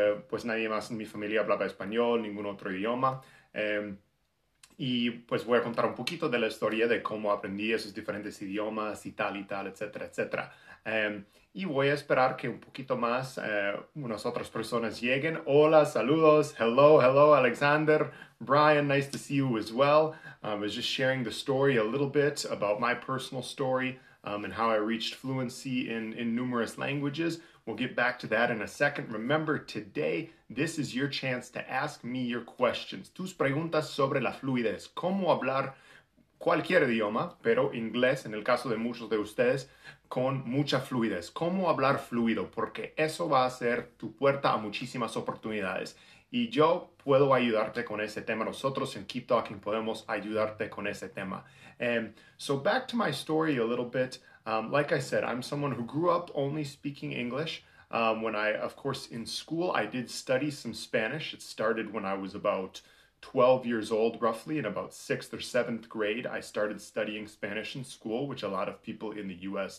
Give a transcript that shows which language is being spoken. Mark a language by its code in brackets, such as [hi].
[es] Pues nadie más en mi familia hablaba español, ningún otro idioma. Y pues voy a contar un poquito de la historia de cómo aprendí esos diferentes idiomas y tal, etcétera, etcétera. Y voy a esperar que un poquito más unas otras personas lleguen. Hola, saludos. [en] Hello, hello, Alexander. Brian, nice to see you as well. I was just sharing the story a little bit about my personal story and how I reached fluency in numerous languages. We'll get back to that in a second. Remember, today, this is your chance to ask me your questions. [es] Tus preguntas sobre la fluidez. ¿Cómo hablar cualquier idioma, pero inglés, en el caso de muchos de ustedes, con mucha fluidez? ¿Cómo hablar fluido? Porque eso va a ser tu puerta a muchísimas oportunidades. Y yo puedo ayudarte con ese tema. Nosotros en Keep Talking podemos ayudarte con ese tema. [en] So back to my story a little bit. Like I said, I'm someone who grew up only speaking English. When I, of course, in school, I did study some Spanish. It started when I was about 12 years old, roughly, in about 6th or 7th grade. I started studying Spanish in school, which a lot of people in the U.S.